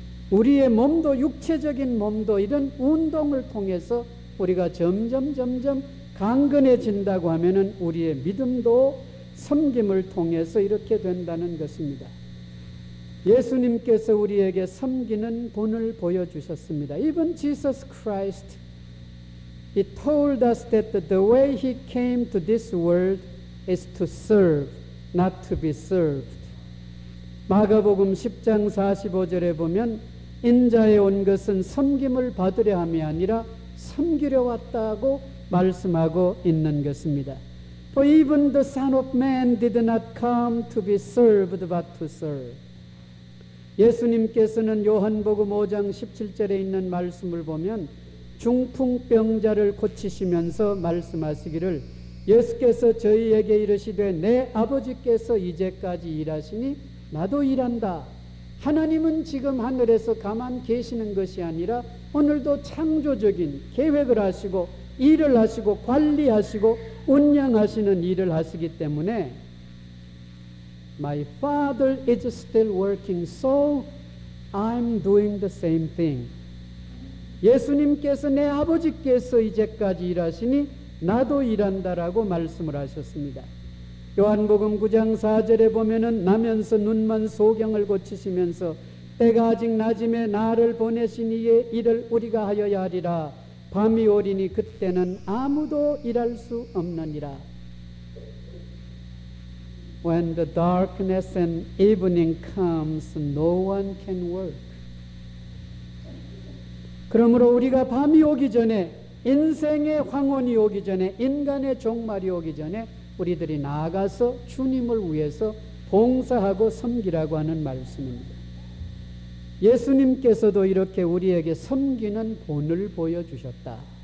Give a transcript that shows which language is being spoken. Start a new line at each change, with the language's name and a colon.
Korean: 우리의 몸도 육체적인 몸도 이런 운동을 통해서 우리가 점점 강건해진다고 하면은 우리의 믿음도 섬김을 통해서 이렇게 된다는 것입니다. 예수님께서 우리에게 섬기는 본을 보여주셨습니다.
English: Even Jesus Christ, He told us that the way He came to this world is to serve, not to be served.
Korean: 마가복음 10장 45절에 보면 인자에 온 것은 섬김을 받으려 함이 아니라 섬기려 왔다고 말씀하고 있는 것입니다.
English: For even the Son of Man did not come to be served but to serve.
Korean: 예수님께서는 요한복음 5장 17절에 있는 말씀을 보면 중풍병자를 고치시면서 말씀하시기를 예수께서 저희에게 이르시되 내 아버지께서 이제까지 일하시니 나도 일한다. 하나님은 지금 하늘에서 가만 계시는 것이 아니라 오늘도 창조적인 계획을 하시고 일을 하시고 관리하시고 운영하시는 일을 하시기 때문에
English: My father is still working, so I'm doing the same thing.
Korean: 예수님께서 내 아버지께서 이제까지 일하시니 나도 일한다라고 말씀을 하셨습니다. 요한복음 9장 4절에 보면은 나면서 눈먼 소경을 고치시면서 때가 아직 낮음에 나를 보내신 이의 일을 우리가 하여야 하리라. 밤이 오리니 그때는 아무도 일할 수 없느니라.
English: When the darkness and evening comes, no one can work.
Korean: 그러므로 우리가 밤이 오기 전에 인생의 황혼이 오기 전에 인간의 종말이 오기 전에 우리들이 나아가서 주님을 위해서 봉사하고 섬기라고 하는 말씀입니다. 예수님께서도 이렇게 우리에게 섬기는 본을 보여주셨다.